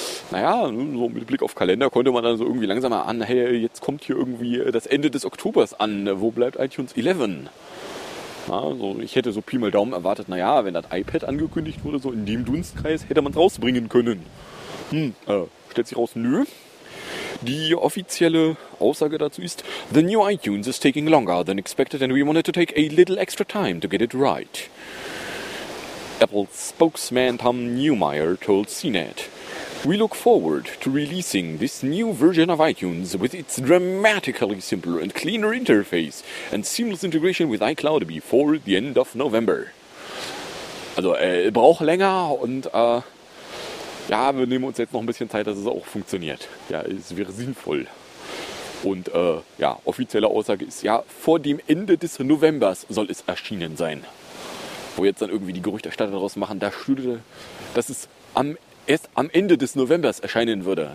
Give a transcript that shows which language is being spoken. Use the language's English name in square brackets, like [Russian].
[German] Naja, so mit Blick auf Kalender konnte man dann so irgendwie langsam an, hey, jetzt kommt hier irgendwie das Ende des Oktobers an, wo bleibt iTunes 11? Na, so, ich hätte so Pi mal Daumen erwartet, naja, wenn das iPad angekündigt wurde, so in dem Dunstkreis, hätte man es rausbringen können. Stellt sich raus, nö. Die offizielle Aussage dazu ist, [English] the new iTunes is taking longer than expected and we wanted to take a little extra time to get it right. Apple spokesman Tom Neumeier told CNET, we look forward to releasing this new version of iTunes with its dramatically simpler and cleaner interface and seamless integration with iCloud before the end of November. [German] Also, braucht länger und, ja, wir nehmen uns jetzt noch ein bisschen Zeit, dass es auch funktioniert. Ja, es wäre sinnvoll. Und ja, offizielle Aussage ist, ja, vor dem Ende des Novembers soll es erschienen sein. Wo jetzt dann irgendwie die Gerüchterstatter daraus machen, dass es erst am Ende des Novembers erscheinen würde.